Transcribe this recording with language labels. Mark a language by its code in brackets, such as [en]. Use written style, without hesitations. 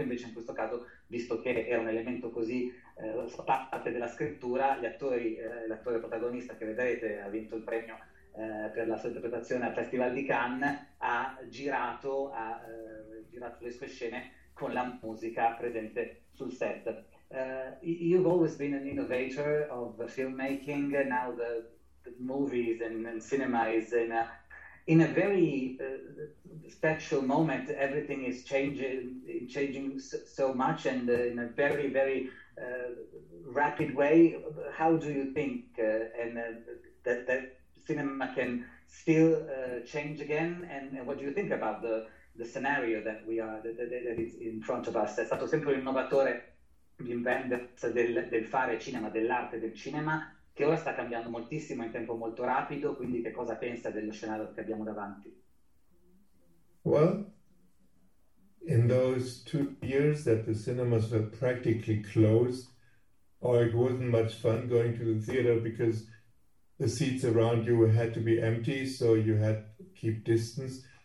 [it] Invece, in questo caso, visto che era un elemento così parte della scrittura, l'attore protagonista che vedrete ha vinto il premio per la sua interpretazione al Festival di Cannes, ha girato le sue scene con la musica presente sul set. [en] You've always been an innovator of filmmaking. Now the movies and cinema is in a very special moment. Everything is changing so much, and in a very, very rapid way. How do you think that cinema can still change again? And what do you think about the scenario that we are that is in front of us? [it] È stato sempre un innovatore del fare cinema, dell'arte del cinema, che ora sta cambiando moltissimo in tempo molto rapido. Quindi, che cosa pensa dello scenario che abbiamo davanti? [en] Well, in those 2 years that the cinemas were practically closed, or it wasn't much fun going to the theater because the seats around you had to be empty, so you had to keep distance.